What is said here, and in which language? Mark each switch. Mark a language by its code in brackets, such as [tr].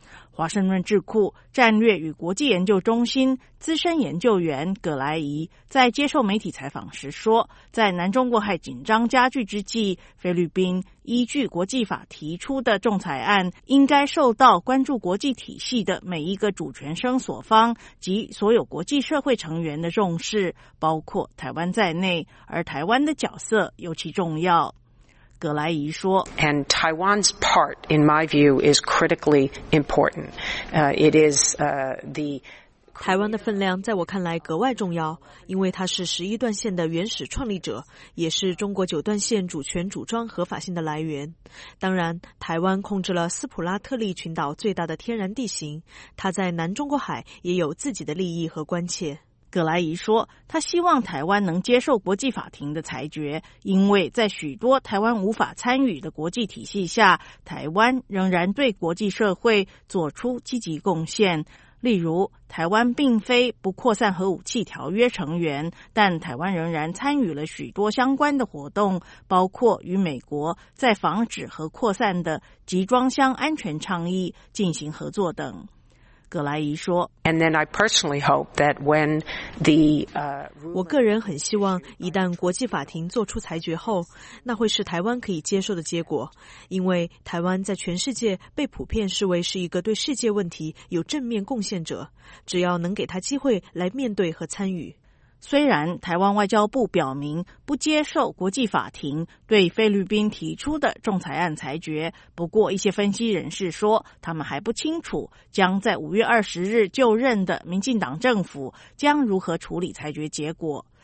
[zh] 华盛顿智库战略与国际研究中心资深研究员葛莱仪在接受媒体采访时说，在南中国海紧张加剧之际，菲律宾依据国际法提出的仲裁案应该受到关注国际体系的每一个主权声索方及所有国际社会成员的重视，包括台湾在内，而台湾的角色尤其重要。葛莱仪说， [en] And Taiwan's part, in my view, is critically important. It is the [zh] 台湾的分量在我看来格外重要，因为它是十一段线的原始创立者，也是中国九段线主权主张合法性的来源。当然，台湾控制了斯普拉特利群岛最大的天然地形，它在南中国海也有自己的利益和关切。葛莱仪说，他希望台湾能接受国际法庭的裁决，因为在许多台湾无法参与的国际体系下，台湾仍然对国际社会做出积极贡献。例如，台湾并非不扩散核武器条约成员，但台湾仍然参与了许多相关的活动，包括与美国在防止核扩散的集装箱安全倡议进行合作等。葛莱仪说， [en] And then I personally hope that when the, [zh] 我个人很希望一旦国际法庭做出裁决后，那会是台湾可以接受的结果，因为台湾在全世界被普遍视为是一个对世界问题有正面贡献者，只要能给他机会来面对和参与。虽然台湾外交部表明不接受国际法庭对菲律宾提出的仲裁案裁决，不过一些分析人士说，他们还不清楚将在5月20日就任的民进党政府将如何处理裁决结果。